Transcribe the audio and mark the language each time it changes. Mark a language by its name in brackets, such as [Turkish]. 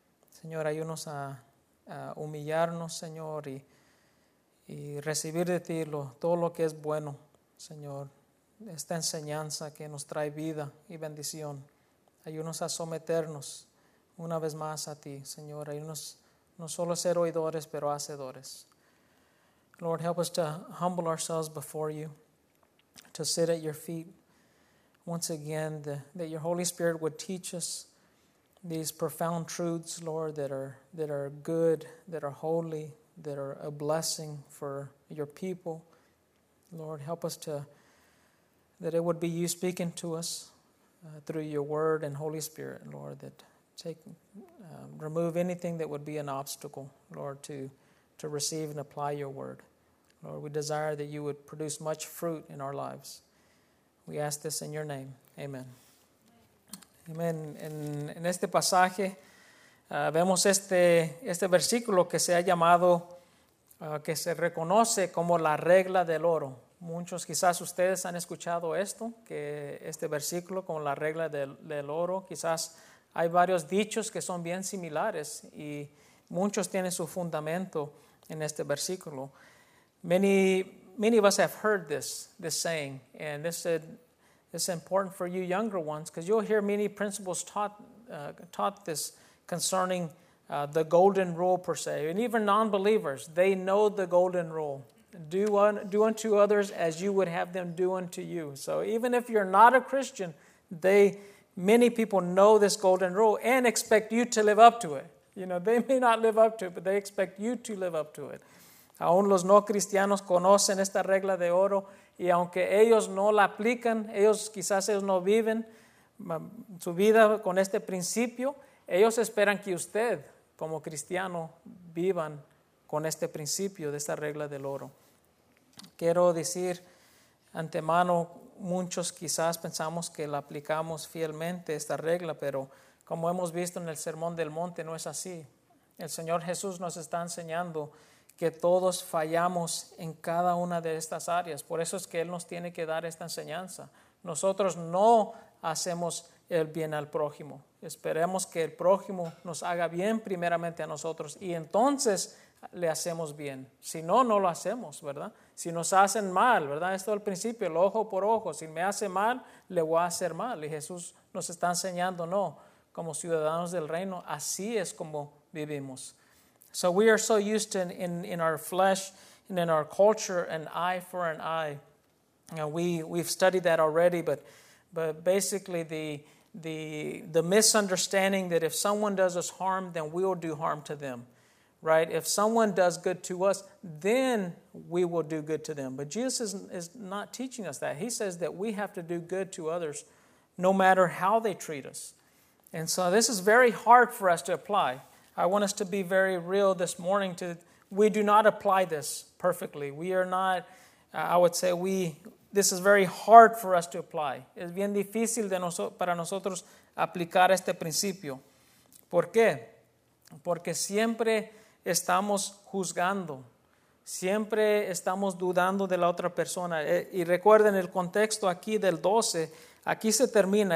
[Spanish] Señor, ayúdanos a humillarnos, Señor, y recibir de ti todo lo que es bueno, Señor. Esta enseñanza que nos trae vida y bendición. Ayúdanos a someternos una vez más a ti, Señor. Ayúdanos no solo a ser oidores, pero hacedores. [English] Lord, help us to humble ourselves before you, to sit at your feet once again, that your Holy Spirit would teach us these profound truths, Lord, that are good, that are holy, that are a blessing for your people. Lord, help us to, that it would be you speaking to us through your word and Holy Spirit, Lord, that remove anything that would be an obstacle, Lord, to receive and apply your word. Lord, we desire that you would produce much fruit in our lives. We ask this in your name. Amen. Amén. [Spanish] En este pasaje vemos este versículo que se ha llamado, que se reconoce como la regla del oro. Muchos quizás ustedes han escuchado esto, que este versículo como la regla del oro. Quizás hay varios dichos que son bien similares y muchos tienen su fundamento en este versículo. [English] Many of us have heard this saying, and this said, it's important for you younger ones, because you'll hear many principles taught this concerning the golden rule per se. And even non-believers, they know the golden rule. Do unto others as you would have them do unto you. So even if you're not a Christian, many people know this golden rule and expect you to live up to it. You know, they may not live up to it, but they expect you to live up to it. [Spanish] Aún los no cristianos conocen esta regla de oro. Y aunque ellos no la aplican, ellos no viven su vida con este principio, ellos esperan que usted, como cristiano, vivan con este principio de esta regla del oro. Quiero decir antemano, muchos quizás pensamos que la aplicamos fielmente esta regla, pero como hemos visto en el Sermón del Monte, no es así. El Señor Jesús nos está enseñando que todos fallamos en cada una de estas áreas. Por eso es que Él nos tiene que dar esta enseñanza. Nosotros no hacemos el bien al prójimo. Esperemos que el prójimo nos haga bien primeramente a nosotros. Y entonces le hacemos bien. Si no, no lo hacemos, ¿verdad? Si nos hacen mal, ¿verdad? Esto al principio, el ojo por ojo. Si me hace mal, le voy a hacer mal. Y Jesús nos está enseñando, no, como ciudadanos del reino, así es como vivimos. [English] So we are so used to in our flesh and in our culture, an eye for an eye. Now we've studied that already, but basically the misunderstanding that if someone does us harm, then we will do harm to them, right? If someone does good to us, then we will do good to them. But Jesus is not teaching us that. He says that we have to do good to others no matter how they treat us. And so this is very hard for us to apply. I want us to be very real this morning. We do not apply this perfectly. We are not, I would say, this is very hard for us to apply. [Spanish] Es bien difícil para nosotros aplicar este principio. ¿Por qué? Porque siempre estamos juzgando. Siempre estamos dudando de la otra persona. Y recuerden el contexto aquí del 12. Aquí se termina.